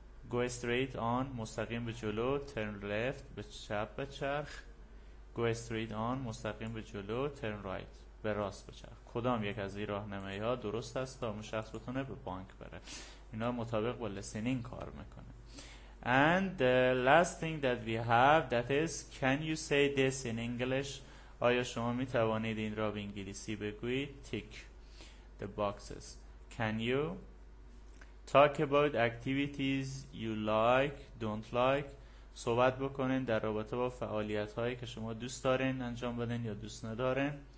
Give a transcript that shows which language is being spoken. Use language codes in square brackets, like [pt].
[en] Go straight on، [fa] مستقیم به جلو. [en] Turn left، [fa] به چپ بچرخ. [en] Go straight on، [fa] مستقیم به جلو. [en] Turn right، [fa] به راست بچرخ. کدام یک از این راهنمایی ها درست است تا اون شخص بتونه به بانک بره؟ اینا مطابق با listening کار میکنه. [en] And the last thing that we have, that is, can you say this in English? [fa] آیا شما می توانید این را به انگلیسی بگویید؟ [en] Tick the boxes. Can you talk about activities you like, don't like? [fa] صحبت بکنین در رابطه با فعالیت هایی که شما دوست دارین انجام بدین یا دوست ندارین.